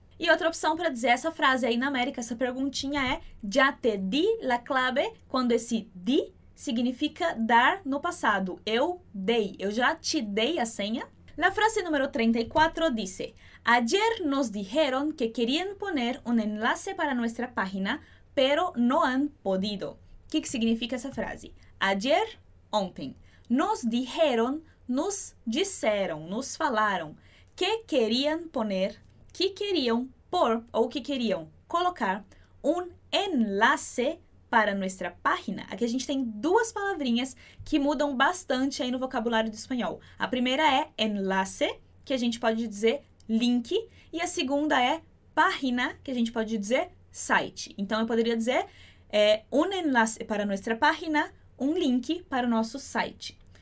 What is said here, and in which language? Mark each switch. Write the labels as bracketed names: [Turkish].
[Portuguese] E outra opção para dizer essa frase aí na América, essa perguntinha é [Spanish] ya te di la clave, [Portuguese] quando esse di significa dar no passado. Eu dei, eu já te dei a senha. [Spanish] La frase número 34 dice: ayer nos dijeron que querían poner un enlace para nuestra página, pero no han podido. [Portuguese] O que significa essa frase? Ayer, ontem. [Spanish] Nos dijeron, [Portuguese] nos disseram, nos falaram. [Spanish] Que querían poner, [Portuguese] que queriam pôr ou que queriam colocar um enlace [Spanish] para nuestra página. [Portuguese] Aqui a gente tem duas palavrinhas que mudam bastante aí no vocabulário do espanhol. A primeira é enlace, que a gente pode dizer link, e a segunda é página, que a gente pode dizer site. Então eu poderia dizer [Spanish] un enlace para nuestra página, [Portuguese] um link para o nosso site.